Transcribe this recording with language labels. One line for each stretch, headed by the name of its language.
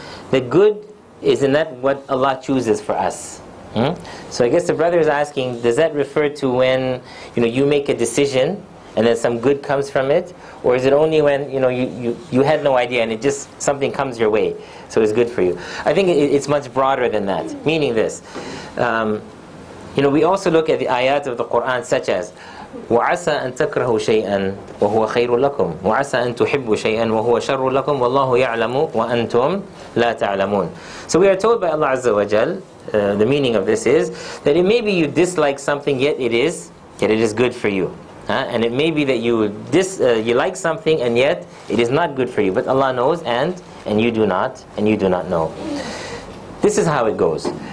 English: The good is in that what Allah chooses for us. So I guess the brother is asking, does that refer to when, you know, you make a decision and then some good comes from it? Or is it only when, you know, you had no idea and it just, something comes your way, so it's good for you? I think it's much broader than that. Meaning this, you know, we also look at the ayat of the Qur'an such as,
Arabic: وَعَسَىٰ أَن تَكْرَهُ شَيْئًا وَهُوَ خَيْرٌ لَكُمْ وَعَسَىٰ أَن تُحِبُّ شَيْئًا وَهُوَ شَرٌ لَكُمْ وَاللَّهُ يَعْلَمُ وَأَنْتُمْ لَا تَعْلَمُونَ.
English: So we are told by Allah Azza wa Jal, the meaning of this is, that it may be you dislike something, yet it is good for you. And it may be that you like something and yet it is not good for you. But Allah knows and you do not know. This is how it goes.